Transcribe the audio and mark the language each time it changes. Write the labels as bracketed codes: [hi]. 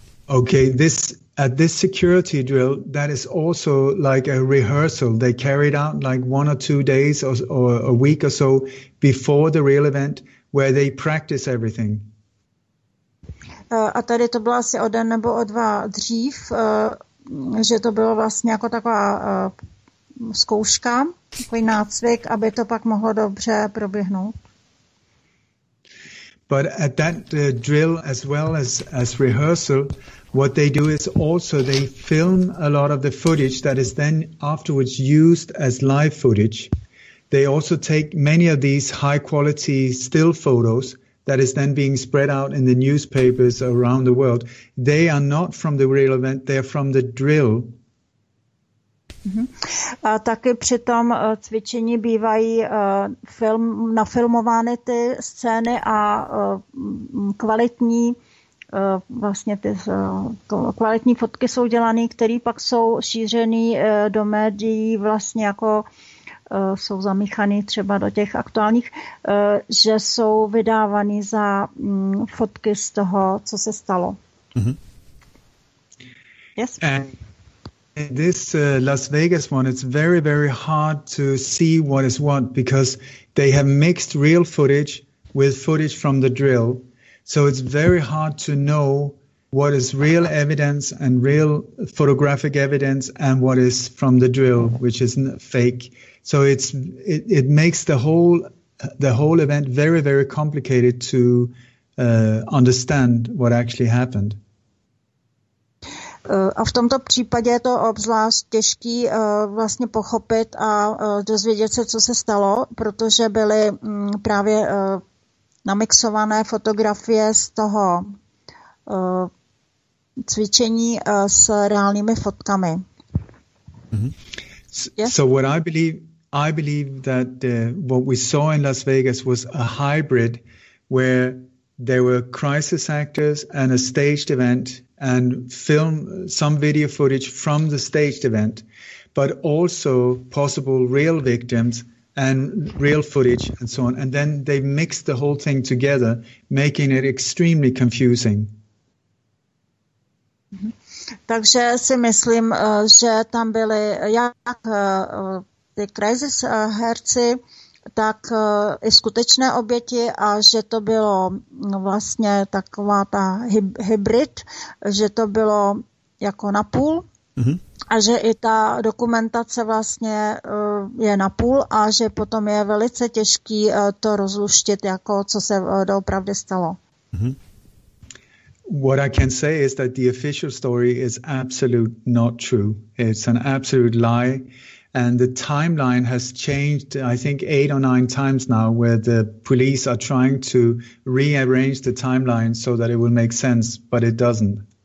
[en] Okay, this at this security drill, that is also like a rehearsal. They carried out like one or two days or a week or so before the real event, where they practice everything. [cs] A tady to bylo asi o den nebo o dva dřív, že to bylo vlastně jako taková zkouška, takový nácvik, aby to pak mohlo dobře proběhnout. [en] But at that drill, as well as rehearsal, what they do is also they film a lot of the footage that is then afterwards used as live footage. They also take many of these high-quality still photos that is then being spread out in the newspapers around the world. They are not from the real event, they are from the drill. Mm-hmm. [cs] A taky při tom cvičení bývají nafilmovány ty scény a kvalitní vlastně ty kvalitní fotky jsou dělané, které pak jsou šířené do médií, vlastně jako jsou zamíchané třeba do těch aktuálních, že jsou vydávané za fotky z toho, co se stalo. Mm-hmm. [en] Yes. This Las Vegas one, it's very, very hard to see what is what because they have mixed real footage with footage from the drill. So it's very hard to know what is real evidence and real photographic evidence and what is from the drill, which is fake. So it makes the whole event very, very complicated to understand what actually happened. [cs] A v tomto případě je to obzvlášť těžký vlastně pochopit a dozvědět se, co se stalo, protože byly právě namixované fotografie z toho cvičení s reálnými fotkami. Mm-hmm. Yes? [en] So what I believe that what we saw in Las Vegas was a hybrid where there were crisis actors and a staged event and film some video footage from the staged event, but also possible real victims and real footage and so on. And then they mix the whole thing together, making it extremely confusing. [cs] Takže si myslím, že tam byly jak ty crisis herci, tak i skutečné oběti a že to bylo vlastně taková ta hybrid, že to bylo jako napůl a že i ta dokumentace vlastně je napůl a že potom je velice těžký to rozluštit, jako co se doopravdy stalo. Mm-hmm. [en] What I can say is that the official story is absolute not true. It's an absolute lie. And the timeline has changed, I think, 8 or 9 times now, where the police are trying to rearrange the timeline so that it will make sense, but it doesn't.